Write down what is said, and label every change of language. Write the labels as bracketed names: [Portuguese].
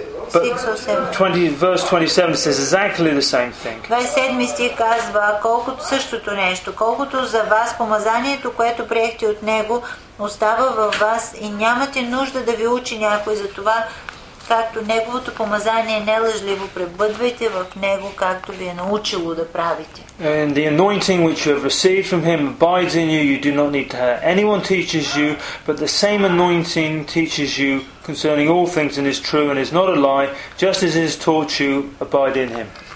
[English] Verse 27 says exactly the same thing. [Bulgarian] 27 стих казва, колкото същото нещо, колкото за вас помазанието, което приехте от него, остава във вас и нямате нужда да ви учи някой за това, както неговото помазание е нелъжливо, пребъдвайте в него, както ви е научило да правите. [English] And the anointing which you have received from him abides in you. You do not need to have anyone teaches you, but the same anointing teaches you concerning all things and is true and is not a lie, just as it is taught you, abide in him.